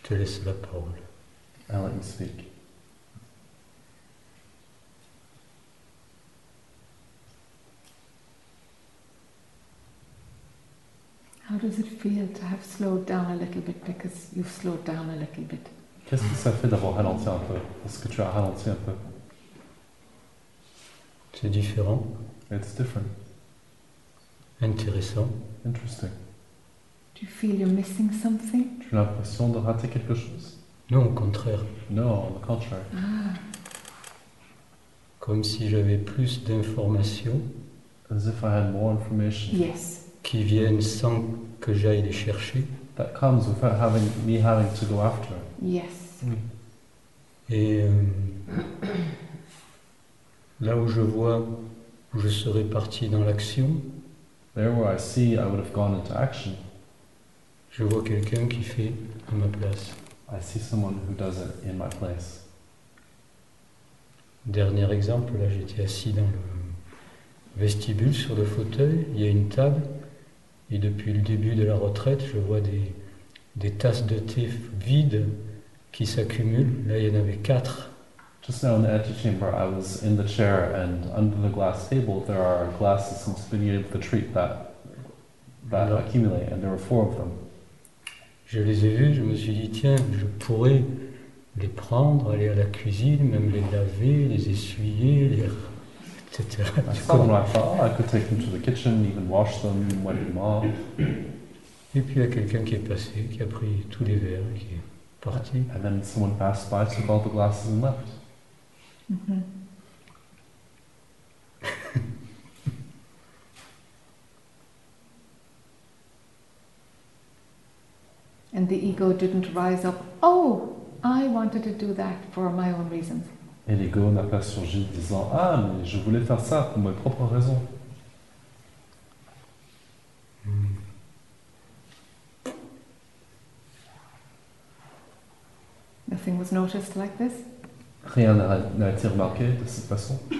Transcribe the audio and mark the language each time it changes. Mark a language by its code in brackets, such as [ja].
[fr] te laisse la parole. [en] I let you speak. How does it feel to have slowed down a little bit because you've slowed down a little bit? [fr] Qu'est-ce que ça fait d'avoir ralenti un peu? Est-ce que tu as ralenti un peu? C'est différent. [en] It's different. [fr] Intéressant. [en] Interesting. Do you feel you're missing something? [fr] Tu as l'impression de rater quelque chose? Non, au contraire. [en] No, on the contrary. Ah. [fr] Comme si j'avais plus d'informations. [en] As if I had more information. Yes. [fr] Qui viennent sans que j'aille les chercher. [en] That comes without having me having to go after. Yes. [fr] Et là où je vois où je serais parti dans l'action. [en] There where I see I would have gone into action. [fr] Je vois quelqu'un qui fait à ma place. [en] I see someone who does it in my place. [fr] Dernier exemple, là j'étais assis dans le vestibule sur le fauteuil, il y a une table, et depuis le début de la retraite, je vois des tasses de thé vides qui s'accumulent. Là il y en avait quatre. [en] Just now in the antechamber, I was in the chair, and under the glass table, there are glasses and spinning of the treat that accumulate, and there were four of them. [fr] Je les ai vus, je me suis dit, tiens, je pourrais les prendre, aller à la cuisine, même les laver, les essuyer, les... etc. [en] I could take them to the kitchen, even wash them, wipe them off. [fr] Et puis il y a quelqu'un qui est passé, qui a pris tous les verres et qui est parti. [en] And then someone passed by, took all the glasses and left. And the ego didn't rise up. Oh, I wanted to do that for my own reasons. [fr] Et l'ego n'a pas surgi disant ah, mais je voulais faire ça pour mes propres raisons. [en] Nothing was noticed like this. [fr] Rien n'a été remarqué de cette façon.